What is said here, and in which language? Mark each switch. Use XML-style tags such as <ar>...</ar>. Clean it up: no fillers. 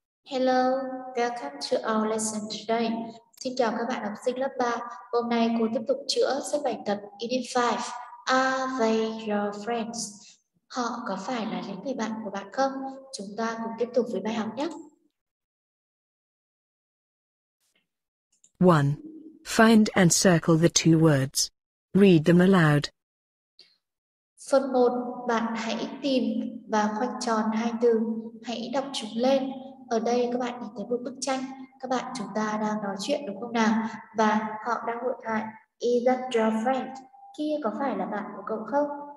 <en>Hello, welcome to our lesson today.</en> <vi>Xin chào các bạn học sinh lớp 3. Hôm nay cô tiếp tục chữa sách bài tập Unit 5.</vi> <en>Are they your friends?</en> <vi>Họ có phải là những người bạn của bạn không? Chúng ta cùng tiếp tục với bài học nhé. 1.</vi> <en>Find and circle the two words. Read them aloud.</en> <vi>Phần 1. Bạn hãy tìm và khoanh tròn hai từ. Hãy đọc chúng lên. Ở đây các bạn nhìn thấy một bức tranh, các bạn chúng ta đang nói chuyện đúng không nào? Và họ đang hội thoại.</vi> <en>Is that your friend?</en> <vi>Kia có phải là bạn của cậu không?</vi>